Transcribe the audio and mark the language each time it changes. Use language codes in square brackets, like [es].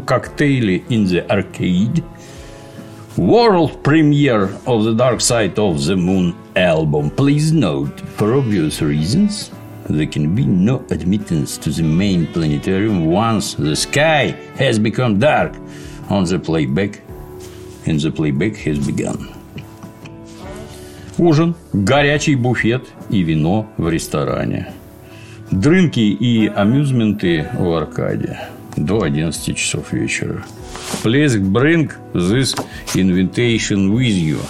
[en] Коктейли in the arcade. World premiere of the Dark Side of the Moon album. Please note, for obvious reasons, there can be no admittance to the main planetarium once the sky has become dark on the playback. And the playback has begun. [ru] Ужин, горячий буфет и вино в ресторане. Дринки и амюзменты в аркаде до 11 часов вечера. [en] Please bring this invitation with you.